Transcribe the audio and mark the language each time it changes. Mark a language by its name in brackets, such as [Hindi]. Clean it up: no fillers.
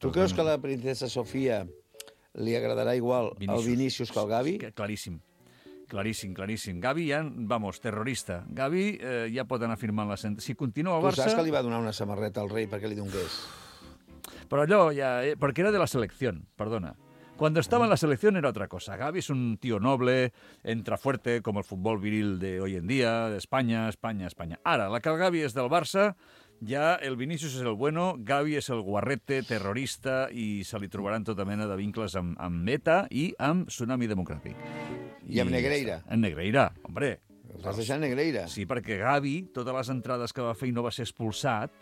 [Catalan] Tu creus que la princesa Sofia li agradarà igual al Vinícius que al Gavi? Claríssim. Claríssim. Gavi ja, vamos, terrorista. Gavi ja pot anar firmant la sentència. Si continua al Barça... Tu saps que li va donar una samarreta al rei perquè li dongués? Però allò ja... Perquè era de la selecció, perdona. [Spanish] Cuando estaba en la selección era otra cosa. Gavi es un tío noble, entra fuerte, como el fútbol viril de hoy en día, de España. [Catalan] Ara, la que el Gavi és del Barça, Ja el Vinicius és el bueno, Gavi és el guarrete terrorista i se li trobaran tota mena de vincles amb Meta i amb Tsunami Democràtic. I amb Negreira. [Spanish] En Negreira, hombre. [Catalan] El vas deixar Negreira. Sí, perquè Gavi, totes les entrades que va fer i no va ser expulsat...